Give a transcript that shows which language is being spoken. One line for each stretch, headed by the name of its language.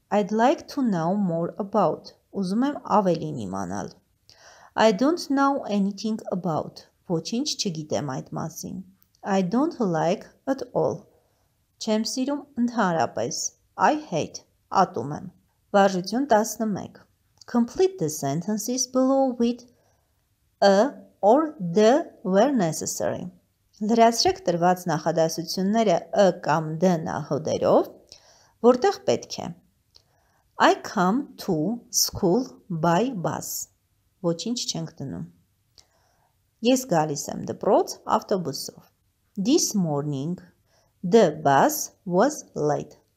English: I'd like to know more about.
Armenian: Ուզում եմ ավելին իմանալ.
English: I don't know anything about.
Armenian: Ոչինչ չգիտեմ այդ մասին.
English: I don't like at all.
Armenian: Չեմ սիրում ընդհանրապես.
English: I hate.
Armenian: Ատում եմ. Վարժություն 11.
English: Complete the sentences below with a or the where necessary.
Armenian: Լրացրեք տրված նախադասությունները a կամ the նախոդերով, որտեղ պետք է.
English: I come to school by bus.
Armenian: Ոչինչ չենք տնում. Ես գալիս եմ դպրոց ավտոբուսով.
English: This morning the bus was late.